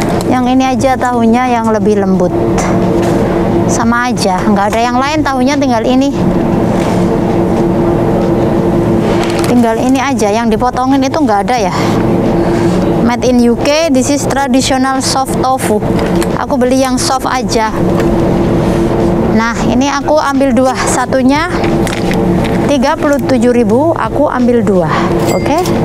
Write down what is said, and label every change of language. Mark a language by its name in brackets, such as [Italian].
[Indonesian] Yang ini aja tahunya yang lebih lembut. Sama aja, nggak ada yang lain, tahunya tinggal ini. Tinggal ini aja, yang dipotongin itu nggak ada ya. [English] Made in UK, this is traditional soft tofu. [Indonesian] Aku beli yang soft aja. Nah, ini aku ambil dua, satunya 37.000, aku ambil dua, oke?